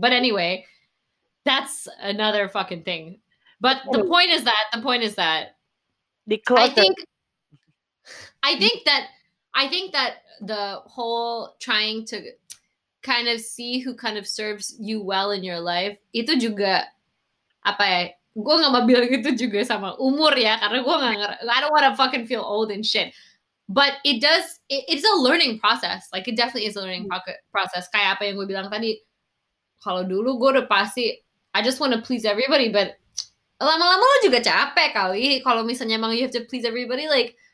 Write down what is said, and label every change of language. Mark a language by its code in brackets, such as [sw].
[en] But anyway, that's another fucking thing. But the point is that. I think that the whole trying to kind of see who kind of serves you well in your life, [id] itu juga apa ya? Gue nggak mau bilang itu juga sama umur ya, karena gue nggak. [en] I don't want to fucking feel old and shit. But it does, it's a learning process. Like, it definitely is a learning process. [id] Kayak apa yang gue bilang tadi, kalau dulu gue udah pasti, [en] I just want to please everybody, but [id] lama-lama lo juga capek kali. Kalau misalnya emang [en] you have to please everybody, like,